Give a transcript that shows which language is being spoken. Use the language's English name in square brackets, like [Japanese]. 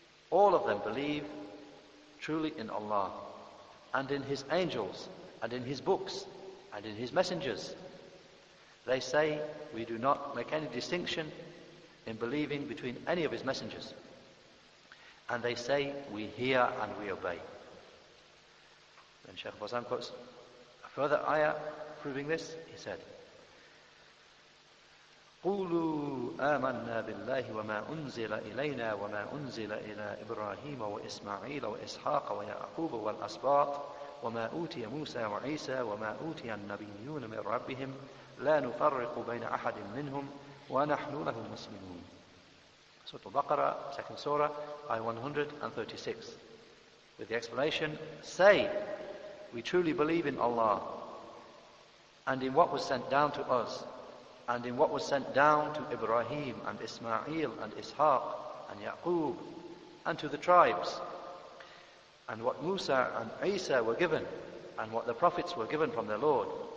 [English] All of them believe truly in Allah, and in his angels, and in his books, and in his messengers. They say, we do not make any distinction in believing between any of his messengers. And they say, we hear and we obey. Then Shaykh Bazan quotes a further ayah proving this. He said, [Arabic] قولوا آمنا بالله وما أنزل إلينا وما أنزل إلى إبراهيم وإسماعيل وإسحاق ويعقوب والأسباط وما أوتي موسى وعيسى وما أوتي النبيون من ربهم لا نفرق بين أحد منهم ونحن له مسلمون. [English] Surah Al-Baqarah, second surah, ayah 136, with the explanation, say, we truly believe in Allah and in what was sent down to us and in what was sent down to Ibrahim and Ismail and Ishaq and Yaqub and to the tribes, and what Musa and Isa were given and what the prophets were given from their Lord.